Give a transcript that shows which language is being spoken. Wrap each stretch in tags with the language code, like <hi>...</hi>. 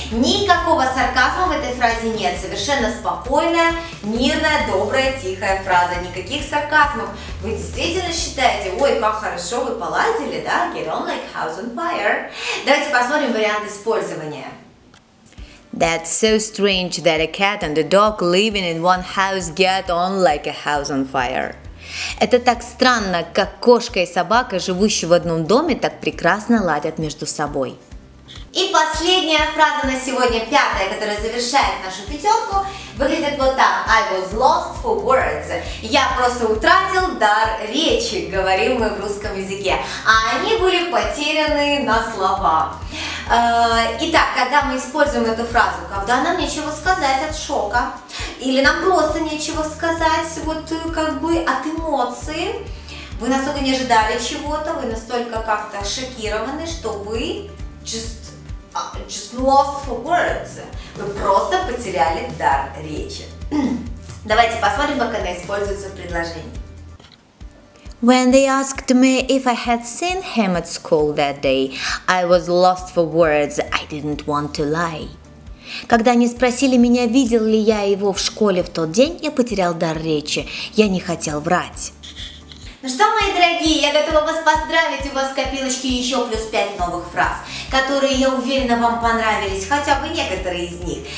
<ru>Никакого сарказма в этой фразе нет, совершенно спокойная, мирная, добрая, тихая фраза, никаких сарказмов. Вы действительно считаете, ой, как хорошо вы поладили, да,</ru> <en>get on like house on fire.</en> <ru>Давайте посмотрим вариант использования.</ru> <en>That's so strange that a cat and a dog living in one house get on like a house on fire.</en> <ru>Это так странно, как кошка и собака, живущие в одном доме, так прекрасно ладят между собой. И последняя фраза на сегодня, пятая, которая завершает нашу пятерку, выглядит вот так.</ru> <en>I was lost for words.</en> <ru>Я просто утратил дар речи, говорим мы в русском языке. А они были потеряны на слова. Итак, когда мы используем эту фразу, когда нам нечего сказать от шока, или нам просто нечего сказать вот как бы от эмоций, вы настолько не ожидали чего-то, вы настолько как-то шокированы, что вы</ru> <en>just lost for words.</en> <ru>Вы просто потеряли дар речи. Давайте посмотрим, как она используется в предложении.</ru> <en>When they asked me if I had seen him at school that day, I was lost for words, I didn't want to lie.</en> <ru>Когда они спросили меня, видел ли я его в школе в тот день, я потерял дар речи, я не хотел врать. Ну что, мои дорогие, я готова вас поздравить, у вас в копилочке еще плюс 5 новых фраз, которые, я уверена, вам понравились, хотя бы некоторые из них.</ru>